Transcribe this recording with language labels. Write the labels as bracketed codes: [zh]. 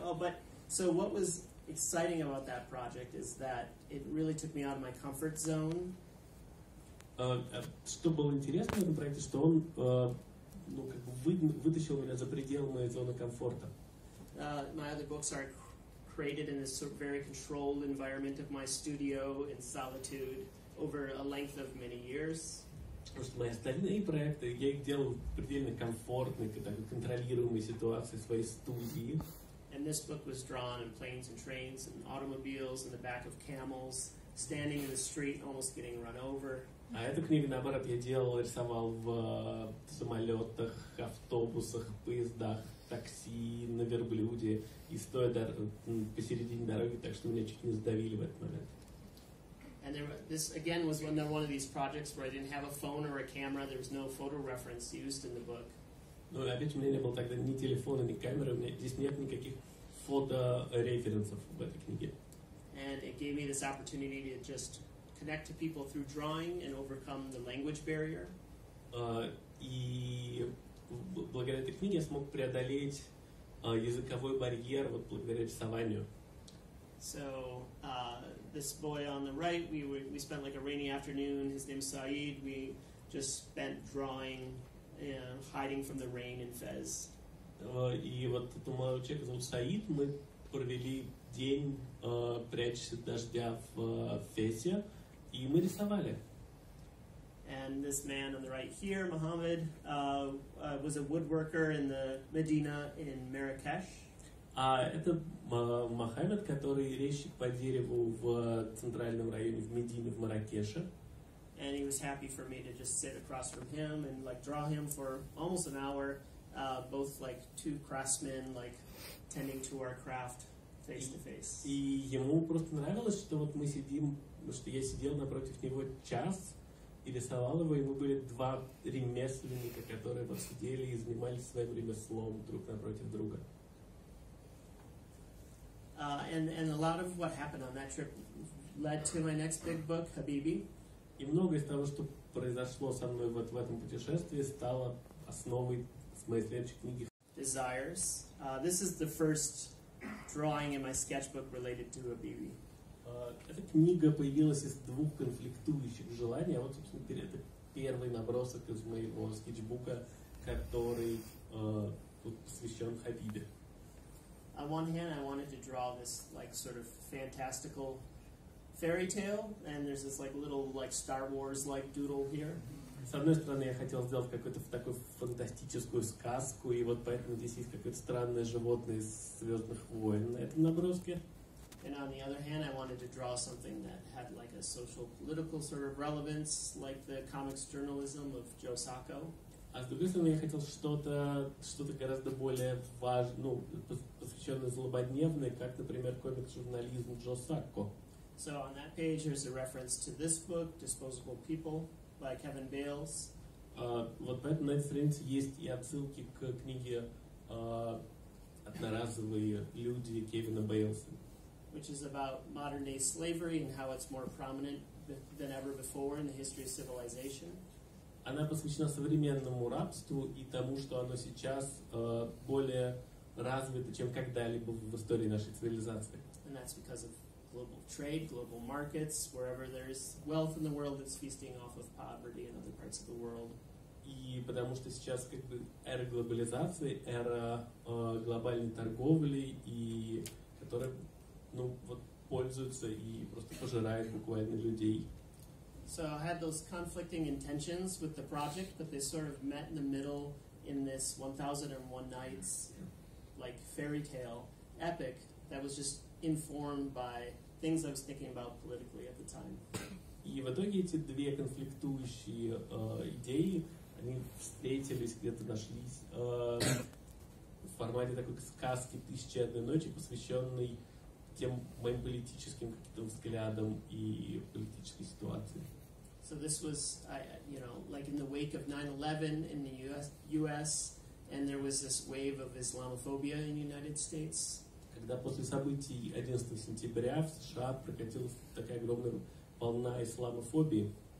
[en] Oh, but so what was exciting about that project is that it really took me out of my comfort zone. [ru] Что было интересно в этом проекте, что он, ну как бы вытащил меня за пределы моей зоны комфорта. [en] My other books are created in this sort of very controlled environment of my studio in solitude over a length of many years. [ru] Потому что мои остальные проекты, я их делал в предельно комфортной, такой контролируемой ситуации своей студии. [en] And this book was drawn in planes and trains and automobiles in the back of camels standing in the street, almost getting run over. [ru] А эту книгу, наоборот, я делал, рисовал в самолетах, автобусах, поездах, такси, на верблюде, и стоя посередине дороги, так что меня чуть не сдавили в этот момент. [en] And there, this again was another one of these projects where I didn't have a phone or a camera. There was no photo reference used in the book. [ru] Ну, опять у меня не было тогда ни телефона, ни камеры. У меня здесь нет никаких фотореференсов в этой книге. [en] And it gave me this opportunity to just connect to people through drawing and overcome the language barrier. [ru] И благодаря этой книге я смог преодолеть языковой барьер вот благодаря рисованию. [en] So this boy on the right, we spent like a rainy afternoon. His name's Saeed. We just spent drawing, hiding from the rain in Fez. [ru] И вот этот молодой человек зовут Саид. Мы провели день, прячась от дождя в Фезе, и мы рисовали. [en] And this man on the right here, Mohammed, was a woodworker in the Medina in Marrakesh. [ru] А это Мохаммед, который резчик по дереву в центральном районе, в Медине, в Марракеше. [en] And he was happy for me to just sit across from him and like draw him for almost an hour, both like two craftsmen, like tending to our craft face to face. [ru] И ему просто нравилось, что вот мы сидим, что я сидел напротив него час и рисовал его, и мы были два ремесленника, которые вот сидели и занимались своим ремеслом друг напротив друга. [en] And a lot of what happened on that trip led to my next big book, Хабиби. [ru] И многое из того, что произошло со мной вот в этом путешествии, стало основой моей следующей книги. [en] Desires. This is the first drawing in my sketchbook related to Хабиби. [ru] Эта книга появилась из двух конфликтующих желаний. Вот, собственно, это первый набросок из моего скетчбука, который тут посвящен Хабиби. [en] On one hand, I wanted to draw this like sort of fantastical fairy tale, and there's this like little like Star Wars like doodle here. [ru] С одной стороны, я хотел сделать какую-то такую фантастическую сказку, и вот поэтому здесь есть какое-то странное животное из Звездных войн на этом наброске. [en] And on the other hand, I wanted to draw something that had like a social political sort of relevance, like the comics journalism of Joe Sacco. [ru] А с другой стороны, я хотел что-то гораздо более важное, ну, посвященное злободневное, как, например, комикс-журнализм Джо Сакко. [en] So on that page there's a reference to this book, Disposable People, by Kevin Bales. [ru] Вот поэтому на этой странице есть и отсылки к книге «Одноразовые люди» Кевина Бейлса. [en] Which is about modern-day slavery and how it's more prominent than ever before in the history of civilization. [ru] Она посвящена современному рабству и тому, что оно сейчас более развито, чем когда-либо в истории нашей цивилизации. [en] And that's because of global trade, global markets, wherever there's wealth in the world, it's feasting off of poverty in other parts of the world. [ru] И потому что сейчас как бы эра глобализации, эра глобальной торговли, и которая, ну, вот, пользуется и просто пожирает буквально людей. [en] So I had those conflicting intentions with the project, but they sort of met in the middle in this 1001 Nights, like, fairy tale epic that was just informed by things I was thinking about politically at the time. [ru] И в итоге эти две конфликтующие идеи, они встретились, где-то нашлись в формате такой сказки «Тысяча и одной ночи», посвященной тем моим политическим каким-то взглядам и политической ситуации. [en] So this was, you know, like in the wake of 9/11 in the U.S., and there was this wave of Islamophobia in the United States. [ru] Когда после событий 11 сентября в США прокатилась такая огромная волна исламофобии.